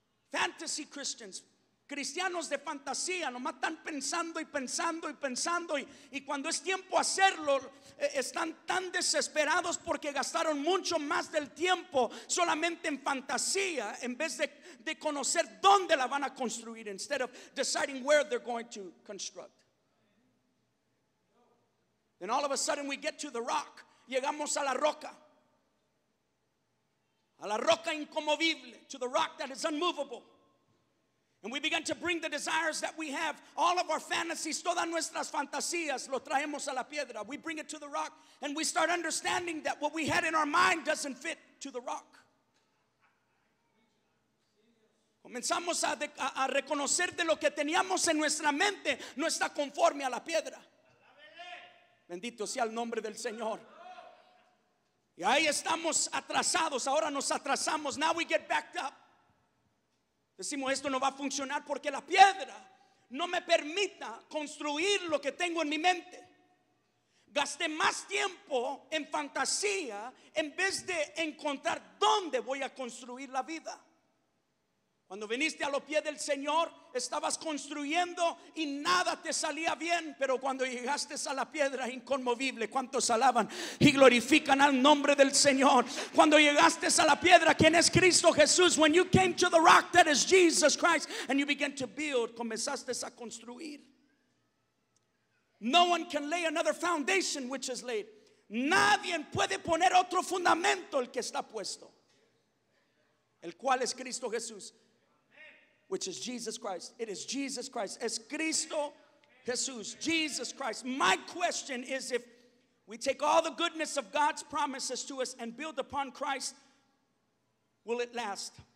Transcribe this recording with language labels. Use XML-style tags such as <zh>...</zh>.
<en>Fantasy Christians.</en> <es>Cristianos de fantasía nomás están pensando y pensando y pensando y cuando es tiempo hacerlo están tan desesperados porque gastaron mucho más del tiempo solamente en fantasía en vez de conocer dónde la van a construir,</es> <en>instead of deciding where they're going to construct. Then all of a sudden we get to the rock.</en> <es>Llegamos a la roca incomovible,</es> <en>to the rock that is unmovable. And we begin to bring the desires that we have, all of our fantasies,</en> <es>todas nuestras fantasías, lo traemos a la piedra.</es> <en>We bring it to the rock and we start understanding that what we had in our mind doesn't fit to the rock.</en> <es>Comenzamos a reconocer de lo que teníamos en nuestra mente no está conforme a la piedra. Bendito sea el nombre del Señor. Y ahí estamos atrasados, ahora nos atrasamos.</es> <en>Now we get backed up.</en> <es>Decimos esto no va a funcionar porque la piedra no me permita construir lo que tengo en mi mente. Gasté más tiempo en fantasía en vez de encontrar dónde voy a construir la vida. Cuando viniste a los pies del Señor estabas construyendo y nada te salía bien, pero cuando llegaste a la piedra inconmovible, ¿cuántos alaban y glorifican al nombre del Señor? Cuando llegaste a la piedra, ¿quién es Cristo Jesús?</es> <en>When you came to the rock that is Jesus Christ and you began to build,</en> <es>comenzaste a construir.</es> <en>No one can lay another foundation which is laid.</en> <es>Nadie puede poner otro fundamento el que está puesto, el cual es Cristo Jesús.</es> <en>Which is Jesus Christ. It is Jesus Christ.</en> <es>Es Cristo Jesús.</es> <en>Jesus Christ. My question is, if we take all the goodness of God's promises to us and build upon Christ, will it last?</en>